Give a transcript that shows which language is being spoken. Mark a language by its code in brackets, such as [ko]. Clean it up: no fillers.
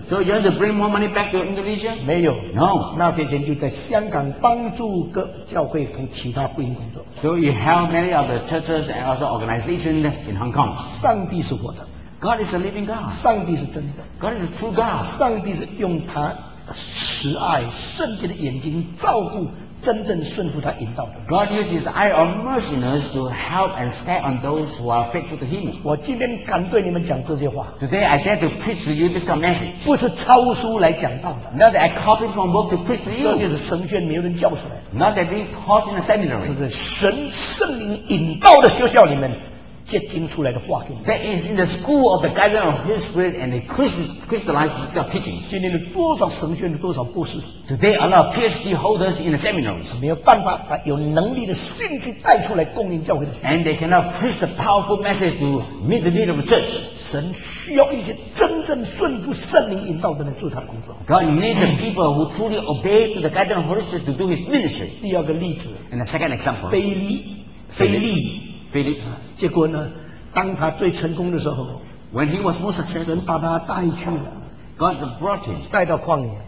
[en] ？So you want to bring more money back to Indonesia? [zh] 没有。 [en] No. [zh] 那些钱就在香港帮助各教会和其他福音工作。 [en] So you help many of the churches and also organizations in Hong Kong. [zh] 上帝是活的。 [en] God is a living God. [zh] 上帝是真的。 [en] God is a true God. [zh] 上帝是用他慈爱圣洁的眼睛照顾真正顺服他引导的。 [en] God uses His eye of merciness to help and stay on those who are faithful to Him. [zh] 我今天敢对你们讲这些话。 [en] Today I dare to preach to you this kind of message. [zh] 不是抄书来讲道的。 [en] Not that I copy from book to preach to you. [zh] 这就是神学没有人教出来。 [en] Not that being taught in a seminary. [zh] 就是神圣灵引导的学校里面。结晶出来的话给你。 [en] That is in the school of the guidance of His Spirit and the crystallized itself teaching. [zh] 训练了多少神学的多少博士。 [en] Today a lot of PhD holders in the seminaries. [zh] 没有办法把有能力的信息带出来供应教会的。 [en] And they cannot preach the powerful message to meet the need of the church. [zh] 神需要一些真正顺服圣灵引导的人做他的工作。 [en] God needs people who truly obey to the guidance of His Spirit to do His ministry. [zh] 第二个例子。 [en] And the second example. [zh] 菲利。结果呢？当他最成功的时候 [en] ，When he was most successful， [zh] 神把他带去了 [en] ，God brought him [zh] 带到旷野